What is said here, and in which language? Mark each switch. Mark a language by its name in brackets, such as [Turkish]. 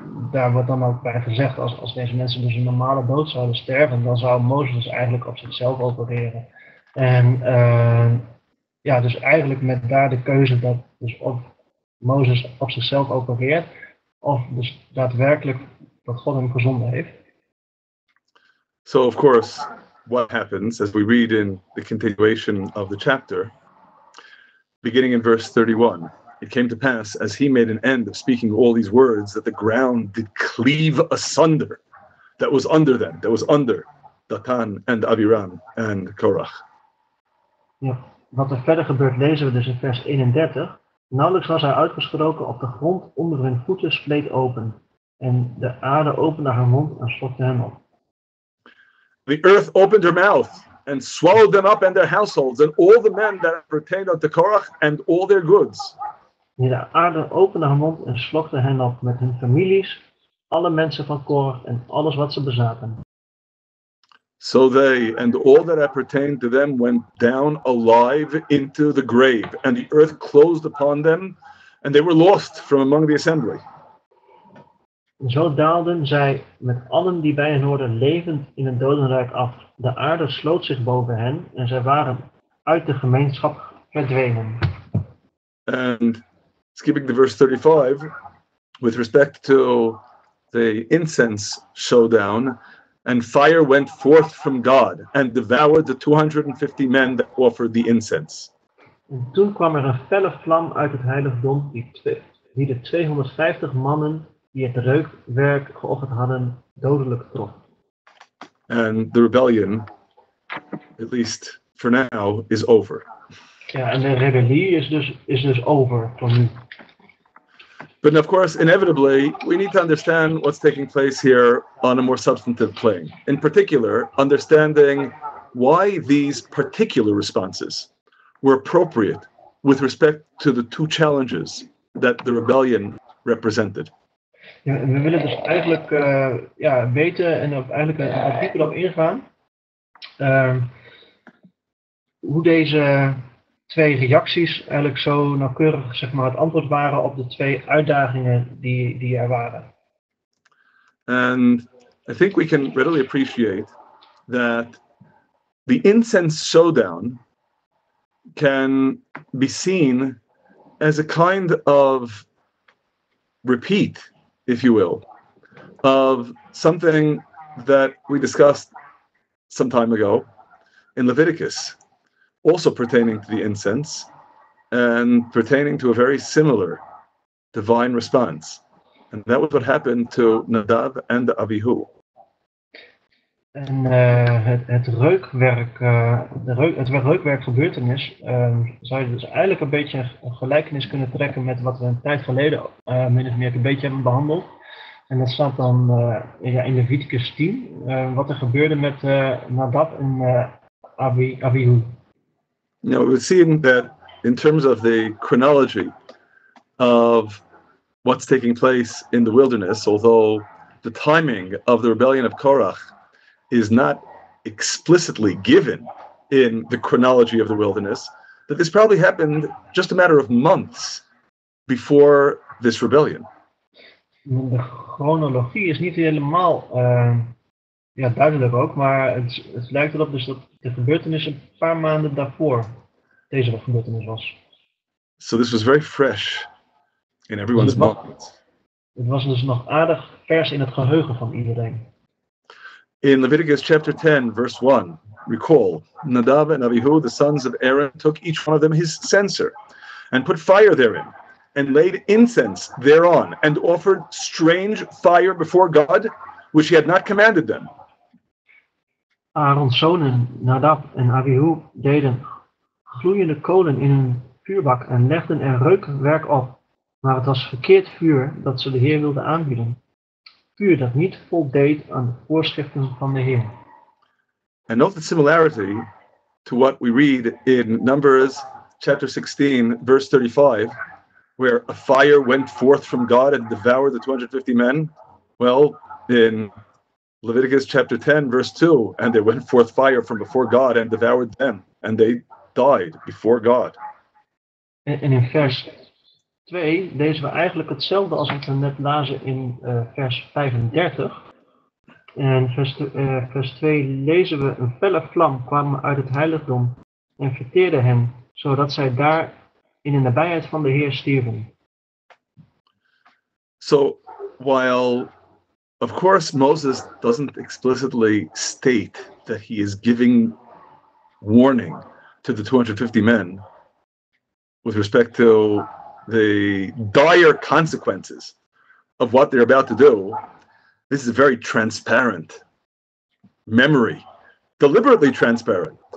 [Dutch] daar wordt dan ook bij gezegd, als deze mensen dus een normale dood zouden sterven, dan zou Mozes eigenlijk op zichzelf opereren. En dus eigenlijk met daar de keuze dat dus of Mozes op zichzelf opereert, of dus daadwerkelijk dat God hem gezonden heeft. [English] So of course, what happens, as we read in the continuation of the chapter, beginning in verse 31. It came to pass, as he made an end of speaking all these words, that the ground did cleave asunder that was under them, that was under Datan and Aviram and Korach. [Dutch] Ja, wat er verder gebeurt lezen we dus in vers 31. Nauwelijks was hij uitgesproken of de grond onder hun voeten spleet open. En de aarde opende haar mond en slokte hem op. [English] The earth opened her mouth and swallowed them up and their households and all the men that pertained unto Korach and all their goods. [Dutch] Ja, de aarde opende haar mond en slokte hen op met hun families, alle mensen van Korach en alles wat ze bezaten. [English] So they and all that appertained to them went down alive into the grave, and the earth closed upon them, and they were lost from among the assembly. [Dutch] Zo daalden zij met allen die bij hen hoorden levend in het dodenrijk af. De aarde sloot zich boven hen, en zij waren uit de gemeenschap verdwenen. [English] And skipping to verse 35, with respect to the incense showdown, and fire went forth from God and devoured the 250 men that offered the incense. [Dutch] En toen kwam er een felle vlam uit het heiligdom die de 250 mannen die het reukwerk geofferd hadden dodelijk trof. [English] And the rebellion, at least for now, is over. [Dutch] Ja, en de rebellie is dus over voor nu. [English] But of course, inevitably, we need to understand what's taking place here on a more substantive plane. In particular, understanding why these particular responses were appropriate with respect to the two challenges that the rebellion represented. [Dutch] Ja, we willen dus eigenlijk weten en ook eigenlijk een dieper op ingaan hoe deze twee reacties eigenlijk zo nauwkeurig zeg maar het antwoord waren op de twee uitdagingen die er waren. [English] And I think we can readily appreciate that the incense showdown can be seen as a kind of repeat, if you will, of something that we discussed some time ago in Leviticus. Also pertaining to the incense and pertaining to a very similar divine response. And that was what happened to Nadab and Abihu. [Dutch] En het reukwerkgebeurtenis zou je dus eigenlijk een beetje een gelijkenis kunnen trekken met wat we een tijd geleden min of meer een beetje hebben behandeld. En dat staat dan in Leviticus 10, wat er gebeurde met Nadab en Abihu. [English] Now, it would seem that in terms of the chronology of what's taking place in the wilderness, although the timing of the rebellion of Korach is not explicitly given in the chronology of the wilderness, that this probably happened just a matter of months before this rebellion. [Dutch] De chronologie is niet helemaal duidelijk ook, maar het lijkt erop dus dat de gebeurtenis een paar maanden daarvoor deze gebeurtenis was. [English] So this was very fresh in everyone's minds. [Dutch] Het was dus nog aardig vers in het geheugen van iedereen. [English] In Leviticus chapter 10, verse 1, recall, Nadab and Abihu, the sons of Aaron, took each one of them his censer, and put fire therein, and laid incense thereon, and offered strange fire before God, which he had not commanded them. [Dutch] Aaron's zonen, Nadab en Abihu, deden gloeiende kolen in een vuurbak en legden er reukwerk op, maar het was verkeerd vuur dat ze de Heer wilden aanbieden. Vuur dat niet voldeed aan de voorschriften van de Heer. [English] And note the similarity to what we read in Numbers chapter 16, verse 35, where a fire went forth from God and devoured the 250 men. Well, in Leviticus chapter 10, verse 2, and there went forth fire from before God and devoured them, and they died before God. [Dutch] En in vers 2 lezen we eigenlijk hetzelfde als wat we net lazen in vers 35. En vers 2 lezen we: een felle vlam kwam uit het heiligdom en verteerde hen, zodat zij daar in de nabijheid van de Heer stierven. [English] So, while of course Moses doesn't explicitly state that he is giving warning to the 250 men with respect to the dire consequences of what they're about to do, this is a very transparent memory, deliberately transparent